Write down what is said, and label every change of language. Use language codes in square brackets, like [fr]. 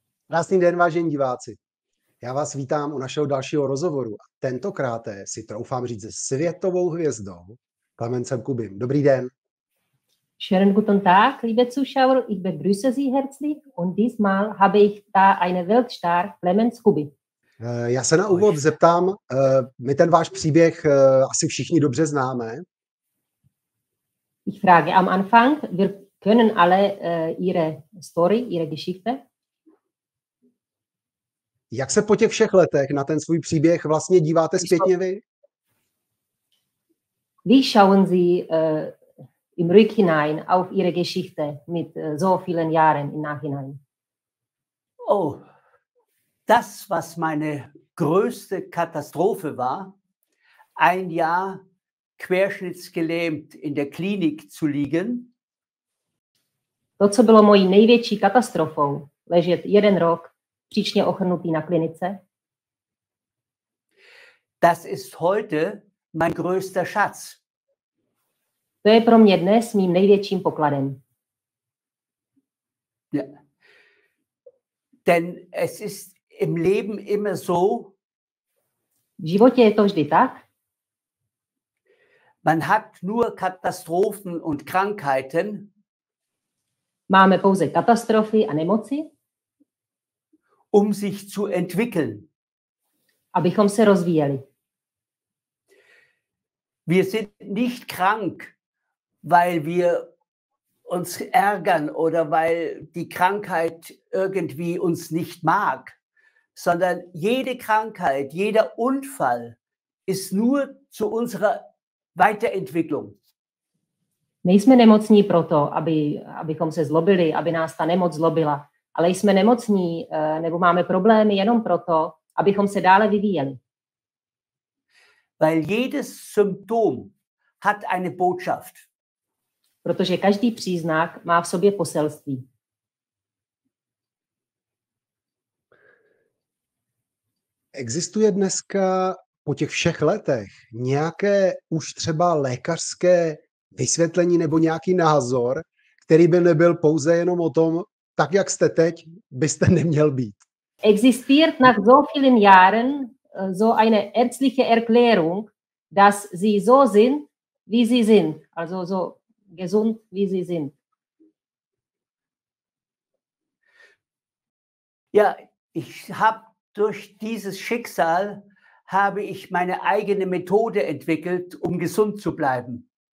[cs] Krásný den, vážení diváci. Já vás vítám u našeho dalšího rozhovoru. Tentokrát si troufám říct se světovou hvězdou Clemencem Kubim. Dobrý den. [de] Schönen guten Tag, liebe Zuschauer. Ich begrüße Sie herzlich und diesmal habe ich da einen Weltstar, Clemens Kubi. [cs] Já se na úvod zeptám, my ten váš příběh asi všichni dobře známe. [de] Ich frage am Anfang, wir können alle Ihre Story, Ihre Geschichte. [cs] Jak se po těch všech letech na ten svůj příběh vlastně díváte zpětně vy? [de] Wie schauen Sie im Rückhinein auf Ihre Geschichte mit so vielen Jahren im Nachhinein? Oh, das, was meine größte Katastrophe war, ein Jahr querschnittsgelähmt in der Klinik zu liegen. [cs] To, co bylo mojí největší katastrofou, ležet jeden rok příčně ochrnutý na klinice. [de] Das ist heute mein größter Schatz. [cs] To je pro mě dnes mým největším pokladem. [de] Ja. Denn es ist im Leben immer so. [cs] V životě je to vždy tak. [de] Man hat nur Katastrophen und Krankheiten. [cs] Máme pouze katastrofy a nemoci. [de] Um sich zu entwickeln. [cs] Abychom se rozvíjeli. [de] Wir sind nicht krank, weil wir uns ärgern oder weil die Krankheit irgendwie uns nicht mag, sondern jede Krankheit, jeder Unfall ist nur zu unserer Weiterentwicklung. [cs] Nejsme nemocní proto, abychom se zlobili, aby nás ta nemoc zlobila, ale jsme nemocní nebo máme problémy jenom proto, abychom se dále vyvíjeli. [de] Weil jedes Symptom hat eine Botschaft. [cs] Protože každý příznak má v sobě poselství. Existuje dneska po těch všech letech nějaké už třeba lékařské vysvětlení nebo nějaký názor, který by nebyl pouze jenom o tom, tak jak jste teď, byste neměl být? [de] Existiert nach so vielen Jahren so eine ärztliche Erklärung, dass Sie so sind, wie Sie sind. Also so gesund, wie Sie sind. Ja, ich habe durch dieses Schicksal habe ich meine eigene Methode entwickelt, um gesund zu bleiben.